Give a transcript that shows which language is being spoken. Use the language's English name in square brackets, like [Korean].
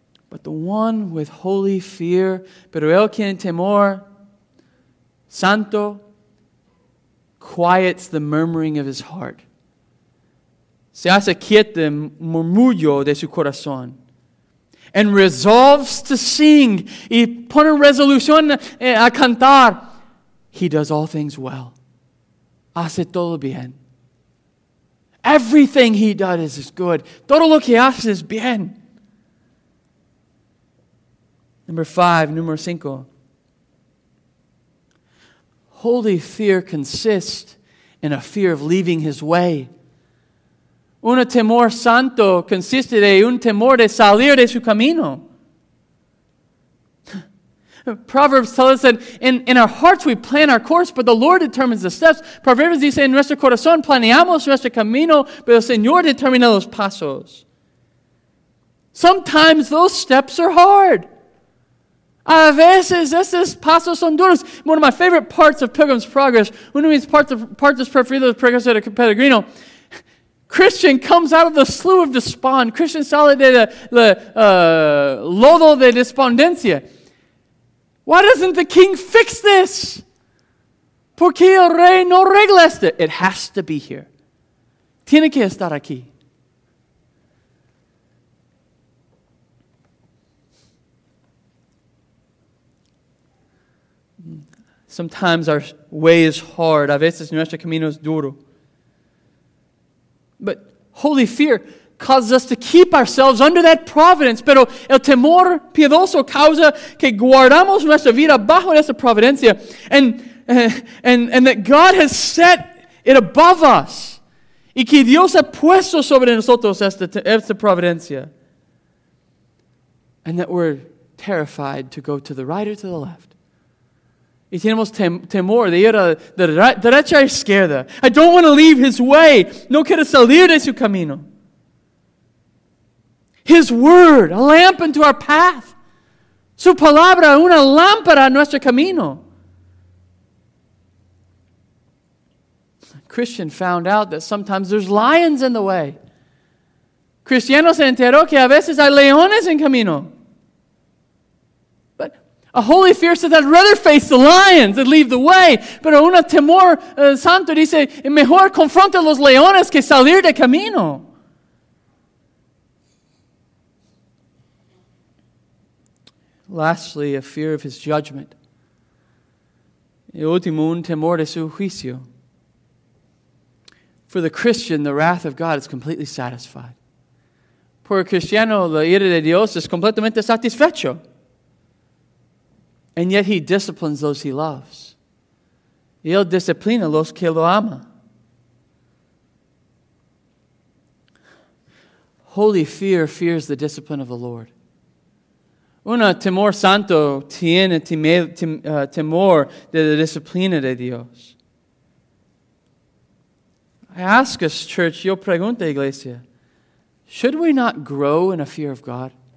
[English] But the one with holy fear, [Spanish] pero el que tiene temor, santo, [English] quiets the murmuring of his heart. [Spanish] Se hace quieto el murmullo de su corazón. [English] And resolves to sing, [Spanish] y pone resolución a cantar. [English] He does all things well. [Spanish] Hace todo bien. [English] Everything he does is good. [Spanish] Todo lo que hace es bien. Número cinco. [English] Holy fear consists in a fear of leaving his way. [Spanish] Un temor santo consiste de un temor de salir de su camino. [English] Proverbs tell us that in our hearts we plan our course, but the Lord determines the steps. [Spanish] Proverbs dice, en nuestro corazón planeamos nuestro camino, pero el Señor determina los pasos. [English] Sometimes those steps are hard. [Spanish] A veces esos pasos son duros. [English] One of my favorite parts of Pilgrim's Progress, [Spanish] uno de mis partes preferidas de Progreso de Peregrino, [English] Christian comes out of the slough of despond. [Spanish] Christian sale de la lodo de despondencia. [English] Why doesn't the king fix this? [Spanish] ¿Por qué el rey no regla esto? [English] It has to be here. [Spanish] Tiene que estar aquí. [English] Sometimes our way is hard. [Spanish] A veces nuestro camino es duro. [English] But holy fear causes us to keep ourselves under that providence. [Spanish] Pero el temor piadoso causa que guardamos nuestra vida bajo esa providencia. [English] And that God has set it above us. [Spanish] Y que Dios ha puesto sobre nosotros esta providencia. [English] And that we're terrified to go to the right or to the left. [Spanish] Y tenemos temor de ir a la derecha izquierda. [English] I don't want to leave his way. [Spanish] No quiero salir de su camino. [English] His word, a lamp unto our path. [Spanish] Su palabra, una lámpara a nuestro camino. [English] Christian found out that sometimes there's lions in the way. [Spanish] Cristiano se enteró que a veces hay leones en camino. [English] A holy fear says, I'd rather face the lions than leave the way. [Spanish] Pero un temor santo dice, mejor confronta los leones que salir de camino. [English] Lastly, a fear of his judgment. [Spanish] Y último, un temor de su juicio. [English] For the Christian, the wrath of God is completely satisfied. [Spanish] Por el cristiano, la ira de Dios es completamente satisfecho. [English] And yet he disciplines those he loves. [Spanish] Y él disciplina los que lo ama. [English] holy fear fears the discipline of the Lord. [Spanish] Una temor santo tiene temor de la disciplina de Dios. [English] I ask us, church, [Spanish] yo pregunto, iglesia, [English] should we not grow in a fear of God?